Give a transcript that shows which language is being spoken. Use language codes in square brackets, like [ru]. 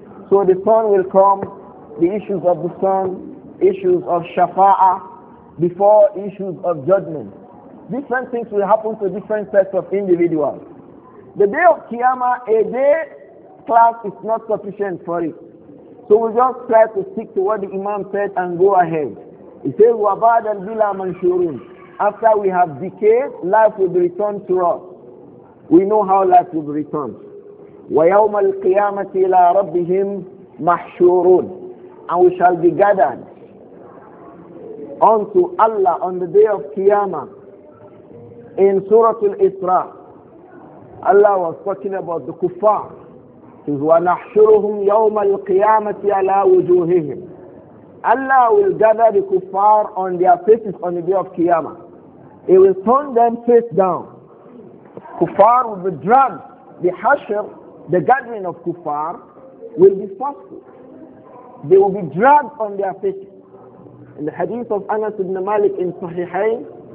[en] So the sun will come, the issues of the sun, issues of Shafa'a, before issues of judgment. Different things will happen to different sets of individuals. The day of Qiyamah, a day class is not sufficient for it. So we just try to stick to what the Imam said and go ahead. He says, [ar] وَبَعْدَ الْبِلَىٰ مَنْشُورٌ. [en] After we have decayed, life will be returned to us. We know how life will be returned. [ar] وَيَوْمَ الْقِيَامَةِ إِلَىٰ رَبِّهِمْ مَحْشُورٌ. [en] And we shall be gathered unto Allah on the day of Qiyamah. In Surah Al-Isra, Allah was talking about the kuffar. He says, [ar] وَنَحْشُرُهُمْ يَوْمَ الْقِيَامَةِ عَلَىٰ وُجُوهِهِمْ. [en] Allah will gather the kuffar on their faces on the day of Qiyamah. He will turn them face down. Kuffar will be dragged. The hashr, the gathering of kuffar, will be forceful. They will be dragged on their faces. In the hadith of Anas ibn Malik in Sahihain,